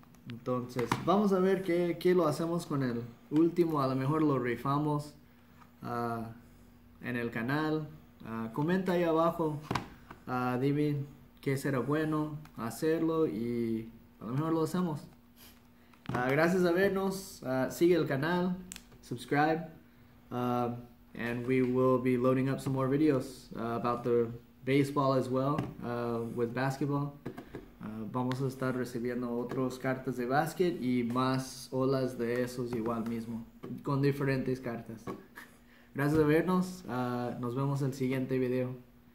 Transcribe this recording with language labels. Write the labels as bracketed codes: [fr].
[es] Entonces, vamos a ver qué lo hacemos con el último. A lo mejor lo rifamos en el canal. Comenta ahí abajo, dime qué será bueno hacerlo y a lo mejor lo hacemos. Gracias a vernos, sigue el canal, [en] subscribe, and we will be loading up some more videos about the baseball as well, with basketball. [es] Vamos a estar recibiendo otras cartas de básquet y más olas de esos igual mismo, con diferentes cartas. Gracias por vernos. Nos vemos en el siguiente video.